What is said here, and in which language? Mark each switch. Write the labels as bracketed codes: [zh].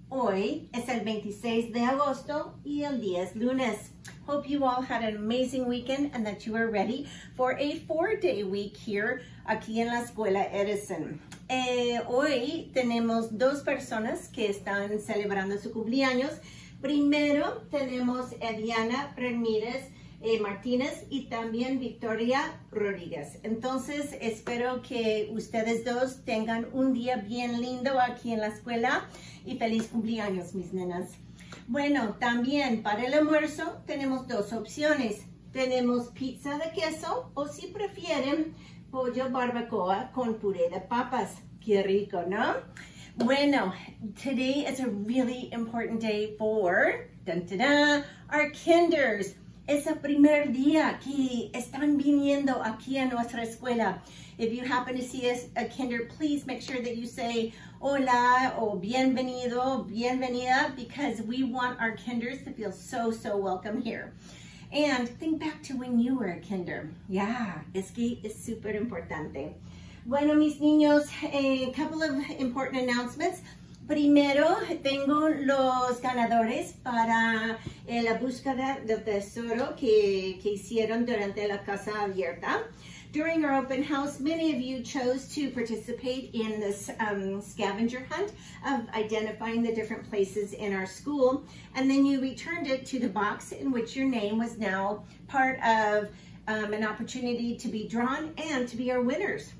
[es] Hoy es el 26 de agosto y el día es lunes. [en] Hope you all had an amazing weekend and that you are ready for a four-day week here [es] aquí en la Escuela Edison. Hoy tenemos dos personas que están celebrando su cumpleaños. Primero tenemos a Diana Ramírez Martínez y también Victoria Rodríguez. Entonces, espero que ustedes dos tengan un día bien lindo aquí en la escuela y feliz cumpleaños, mis nenas. Bueno, también para el almuerzo tenemos dos opciones. Tenemos pizza de queso o si prefieren, pollo barbacoa con puré de papas. Qué rico, ¿no? [en] Bueno, today is a really important day for our kinders. [es] Es el primer día que están viniendo aquí a nuestra escuela. [en] If you happen to see a kinder, please make sure that you say [es] hola o bienvenido, bienvenida, [en] because we want our kinders to feel so, so welcome here. And think back to when you were a kinder. [es] Yeah, es que es super importante. Bueno, mis niños, [en] a couple of important announcements. [es] Primero, tengo los ganadores para la búsqueda del tesoro que hicieron durante la casa abierta. [en] During our open house, many of you chose to participate in this scavenger hunt of identifying the different places in our school, and then you returned it to the box in which your name was now part of an opportunity to be drawn and to be our winners.